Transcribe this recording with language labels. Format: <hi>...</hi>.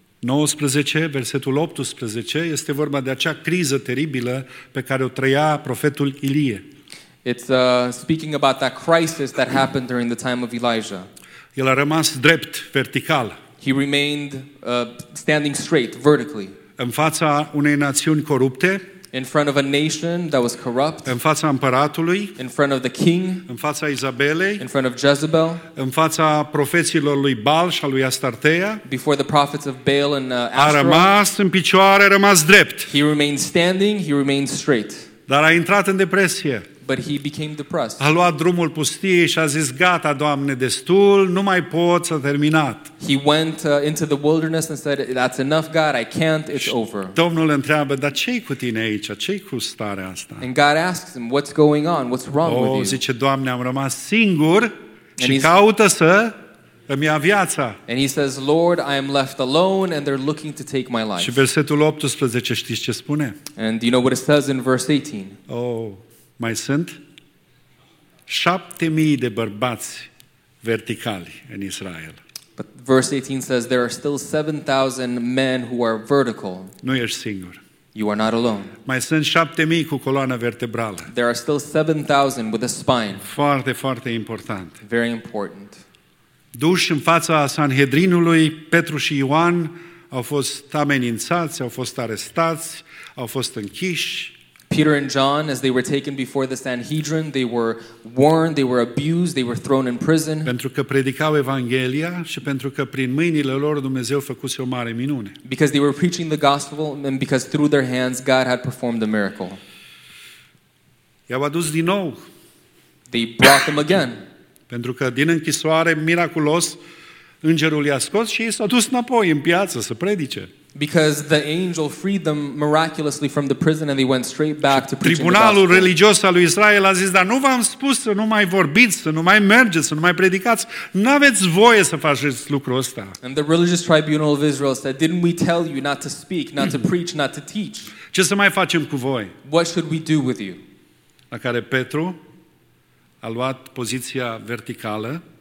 <ro>19, versetul 18, este vorba de acea criză teribilă pe care o trăia profetul Ilie.</ro> <en>It's speaking about that crisis that happened during the time of Elijah.</en> <ro>El a rămas drept, vertical.</ro> <en>He remained standing straight, vertically.</en> <ro>În fața unei națiuni corupte.</ro> <en>In front of a nation that was corrupt.</en> <ro>În fața împăratului.</ro> <en>In front of the king.</en> <ro>În fața Izabelei.</ro> <en>In front of Jezebel.</en> <ro>În fața profeților lui Baal și a lui Astartea.</ro> <en>Before the prophets of Baal and Astra.</en> <ro>A rămas în picioare, a rămas drept.</ro> <en>He remained standing, he remained straight.</en> <ro>Dar a intrat în depresie.</ro> <en>But he became depressed.</en> <ro>A luat drumul pustiei și a zis: gata, Doamne, destul, nu mai pot, s-a terminat.</ro> <en>He went into the wilderness and said, that's enough, God, I can't, it's over.</en> <ro>Domnul întreabă: dar ce-i cu tine aici? Ce-i cu starea asta?</ro> <en>And God asks him, what's going on? What's wrong with you?</en> <ro>Zice: Doamne, am rămas singur și caută să îmi ia viața.</ro> <en>And he says, Lord, I am left alone and they're looking to take my life.</en> <ro>Și versetul 18, știți ce spune?</ro> <en>And you know what it says in verse 18?</en> <ro>Mai sunt 7,000 de bărbați verticali în Israel.</ro> <en>But verse 18 says there are still 7,000 men who are vertical.</en> <ro>Nu ești singur.</ro> <en>You are not alone.</en> <ro>Mai sunt 7,000 cu coloană vertebrală.</ro> <en>There are still 7,000 with a spine.</en> <ro>Foarte, foarte important.</ro> <en>Very important.</en> <ro>Duși în fața Sanhedrinului, Petru și Ioan au fost amenințați, au fost arestați, au fost închiși.</ro> <en>Peter and John, as they were taken before the Sanhedrin, they were warned, they were abused, they were thrown in prison.</en> <ro>Pentru că predicau Evanghelia și pentru că prin mâinile lor Dumnezeu făcuse o mare minune.</ro> <en>Because they were preaching the gospel and because through their hands God had performed a miracle.</en> <ro>I-au adus din nou.</ro> <en>They brought them again.</en> <ro>Pentru că din închisoare, miraculos, Îngerul i-a scos și s-a dus înapoi în piață să predice.</ro> <en>Because the angel freed them miraculously from the prison and they went straight back to preaching.</en> <ro>Tribunalul religios al lui Israel a zis: "Dar nu v-am spus să nu mai vorbiți, să nu mai mergeți, să nu mai predicați? N-aveți voie să faceți lucrul ăsta."</ro> <en>And the religious tribunal of Israel said, "Didn't we tell you not to speak, not to preach, not to teach?"</en> <ro>Ce să mai facem cu voi?</ro> <en>What should we do with you?</en> <ro>La care Petru a luat poziția verticală.</ro>